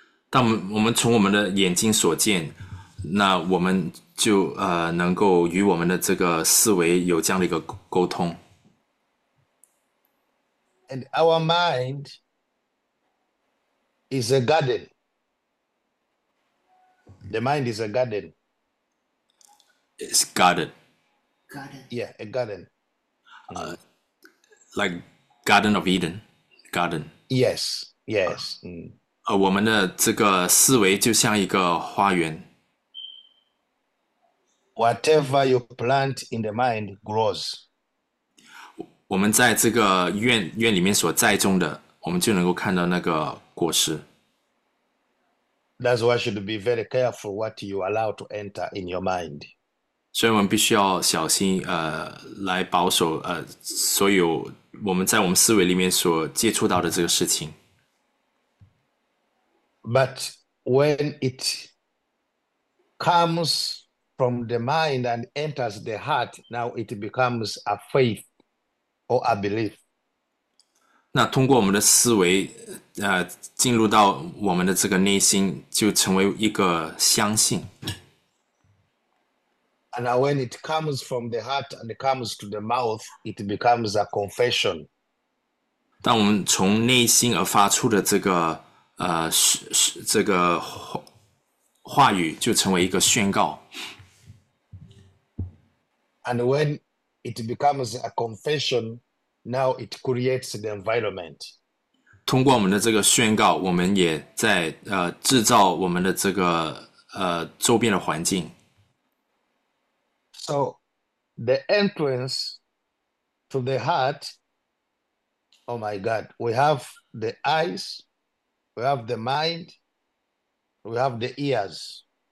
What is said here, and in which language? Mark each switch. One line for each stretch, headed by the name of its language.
Chinese: 当我们从我们的眼睛所见，那我们就能够与我们的这个思维有这样的一个沟通。
English: And our mind is a garden. The mind is a garden. It's garden. Garden. Yeah, a garden. Like Garden of Eden, garden. Yes.
Chinese: 我们的这个思维就像一个花园。
English: Whatever you plant in the mind grows.
Chinese: 我们在这个院里面所栽种的，我们就能够看到那个果实。
English: That's why you should be very careful what you allow to enter in your mind.
Chinese: 所以我们必须要小心，来保守，所有我们在我们思维里面所接触到的这个事情。
English: But when it comes from the mind and enters the heart, now it becomes a faith or a belief.
Chinese: 那通过我们的思维，进入到我们的这个内心，就成为一个相信。
English: And now when it comes from the heart and it comes to the mouth, it becomes a confession.
Chinese: 当我们从内心而发出的这个这个话语，就成为一个宣告。
English: And when it becomes a confession, now it creates the environment.
Chinese: 通过我们的这个宣告，我们也在制造我们的这个周边的环境。
English: So, the entrance to the heart Oh my God, we have the eyes, we have the mind, we have the ears.